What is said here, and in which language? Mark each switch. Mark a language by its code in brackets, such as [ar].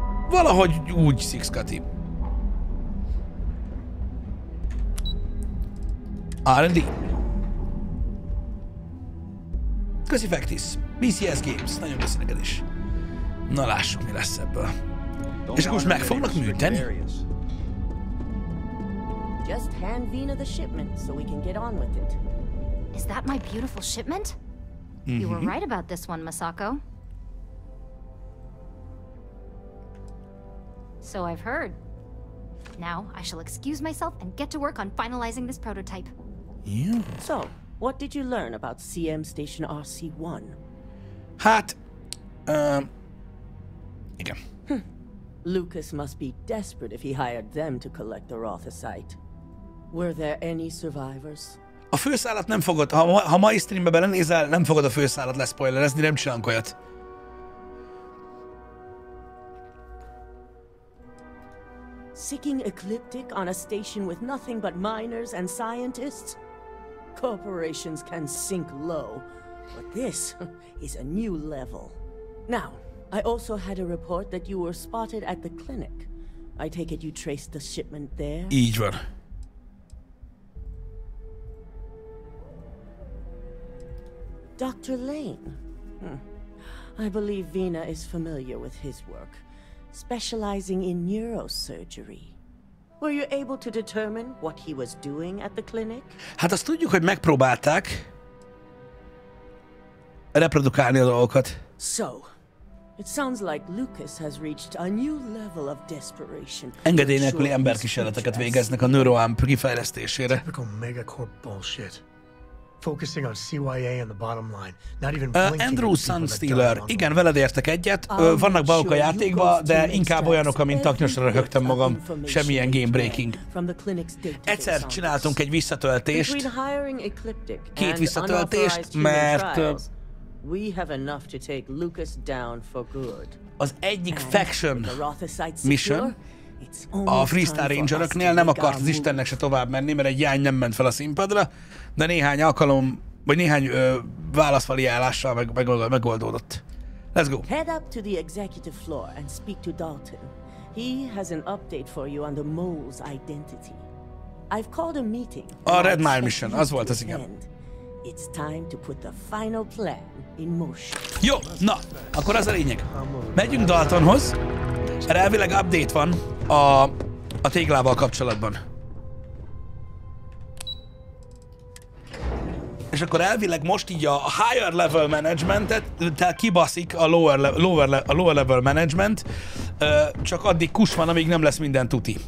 [hu] Valahogy úgy, Six Cutty. R&D. Köszi Factis. BCS Games. Nagyon köszi neked is. Na lássuk, mi lesz ebből. És akkor most meg fognak műteni? [en] Just hand Vina the shipment so we can get on with it. Is that my beautiful shipment? Mm-hmm. You were right about this one, Masako. So I've heard. Now I shall excuse myself and get to work on finalizing this prototype. Yeah. So, what did you learn about CM Station RC-1? [hu] Hát, igen. [en] Lucas must be desperate if he hired them to collect the Rothesite. Were there any survivors? [hu] A főszállat nem fogod, ha mai streambe belenézel, nem fogod a főszállat leszpoilerezni, nem csinálunk olyat. [en] Seeking ecliptic on a station with nothing but miners and scientists? Corporations can sink low, but this is a new level. Now, I also had a report that you were spotted at the clinic. I take it you traced the shipment there? [hu] Így van. [en] Dr. Lane. I believe Vina is familiar with his work, specializing in neurosurgery. Were you able to determine what he was doing at the clinic? [hu] Hát azt tudjuk, hogy megpróbálták reprodukálni a dolgokat. [en] So, it sounds like Lucas has reached a new level of desperation. [hu] Engedély nélküli emberkísérleteket végeznek a neuroamp kifejlesztésére. [en] Typical megacorp bullshit. Focusing on CYA and the bottom line. Not even [hu] Andrew Sunstealer. Igen, veled értek egyet. Vannak bajok a játékba, de inkább olyanok, amint taknyosra röhögtem magam. Semmilyen game breaking. Egyszer csináltunk egy visszatöltést. Két visszatöltést, mert [en] we have enough to take Lucas down for good. [hu] Az egyik faction mission a Freestyle Rangeröknél nem akart az Istennek se tovább menni, mert egy jány nem ment fel a színpadra, de néhány alkalom, vagy néhány válaszvariálással megoldódott. [en] Let's go. Head up to the executive floor and speak to Dalton. He has an update for you on the mole's identity. I've called a meeting. [hu] A Red Mile mission, az volt az, igen. [en] It's time to put the final plan in motion. [hu] Jó, na, akkor az a lényeg. Megyünk Daltonhoz, mert elvileg update van a téglával kapcsolatban. És akkor elvileg most így a higher level managementet, tehát kibaszik a [en] lower level management, [hu] csak addig kus van, amíg nem lesz minden tuti.